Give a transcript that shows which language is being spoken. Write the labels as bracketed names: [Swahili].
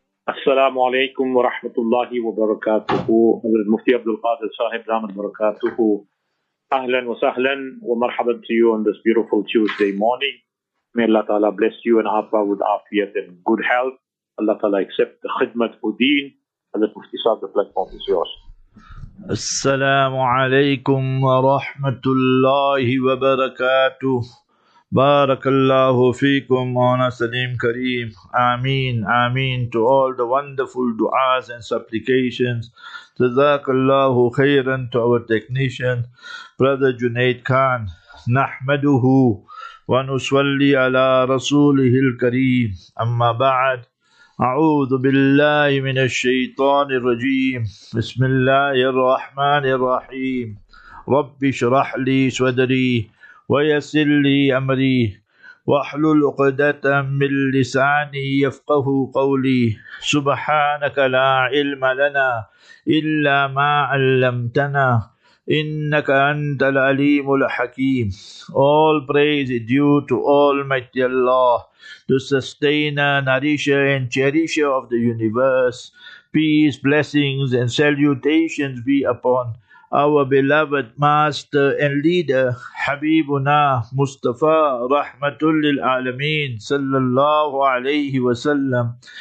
[Arabic] السلام عليكم ورحمة الله وبركاته. المفتي عبد القادر صاحب دام البركاته. أهلا وسهلا ومرحبا [English] to you on this beautiful Tuesday morning. May Allah Ta'ala bless you and Afa with afiyat and good health. Allah Ta'ala accept the khidmat for deen. And the Mufti Sahib, the platform is yours. [Arabic] السلام عليكم ورحمة الله وبركاته. بارك الله فيكم مولانا سليم كريم آمين آمين [English] to all the wonderful du'as and supplications. [Arabic] جزاك الله خيرا [English] to our technician brother Junaid Khan. [Arabic] نحمده ونصلي على رسوله الكريم أما بعد أعوذ بالله من الشيطان الرجيم بسم الله الرحمن الرحيم رب اشرح لي صدري ويسر لي أمري واحلل عقدة من لساني يفقه قولي سبحانك لا علم لنا إلا ما علمتنا إنك أنت العليم الحكيم. [English] All praise is due to Almighty Allah, the sustainer, nourisher and cherisher of the universe. Peace, blessings and salutations be upon our beloved master and leader, Habibuna Mustafa Rahmatul Lil Alameen Sallallahu Alaihi Wasallam.